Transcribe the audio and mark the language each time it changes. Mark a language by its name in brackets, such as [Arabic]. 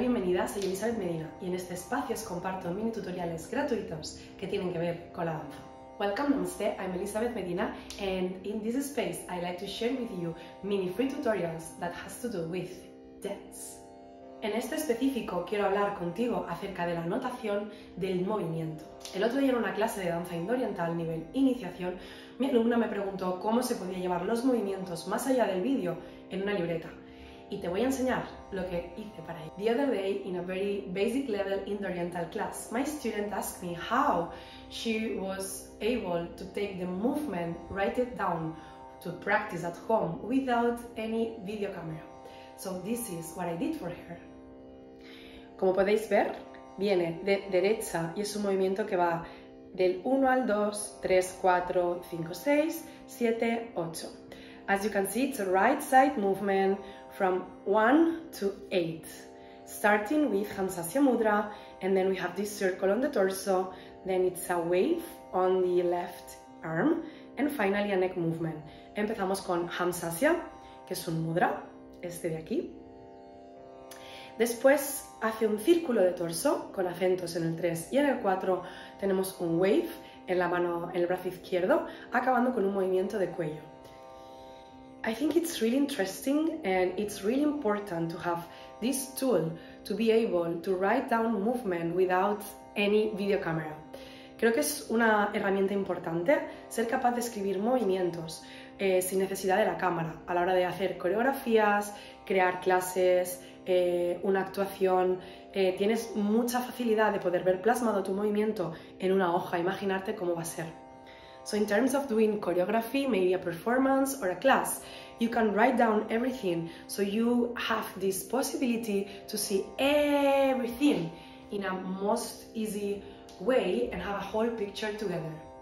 [Spanish] Bienvenida, soy Elizabeth Medina y en este espacio os comparto mini tutoriales gratuitos que tienen que ver con la danza. [English] Welcome, namaste, I'm Elizabeth Medina and in this space I like to share with you mini free tutorials that has to do with dance. [Spanish] En este específico quiero hablar contigo acerca de la notación del movimiento. El otro día en una clase de danza indo-oriental nivel iniciación, mi alumna me preguntó cómo se podía llevar los movimientos más allá del vídeo en una libreta. Y te voy a enseñar lo que hice para ello. [English] The other day, in a very basic level Indo-Oriental class, my student asked me how she was able to take the movement, write it down, to practice at home without any video camera. So this is what I did for her. [Spanish] Como podéis ver, viene de derecha y es un movimiento que va del 1 al 2, 3, 4, 5, 6, 7, 8. [English] As you can see, it's a right side movement, from 1 to 8, starting with Hamsasya Mudra, and then we have this circle on the torso, then it's a wave on the left arm, and finally a neck movement. [Spanish] Empezamos con Hamsasya, que es un mudra, este de aquí. Después hace un círculo de torso, con acentos en el 3 y en el 4, tenemos un wave en la mano, en el brazo izquierdo, acabando con un movimiento de cuello. [English] I think it's really interesting and it's really important to have this tool to be able to write down movement without any video camera. [Spanish] Creo que es una herramienta importante ser capaz de escribir movimientos sin necesidad de la cámara a la hora de hacer coreografías, crear clases, una actuación. Tienes mucha facilidad de poder ver plasmado tu movimiento en una hoja, imaginarte cómo va a ser. [English] So in terms of doing choreography, maybe a performance or a class, you can write down everything so you have this possibility to see everything in a most easy way and have a whole picture together.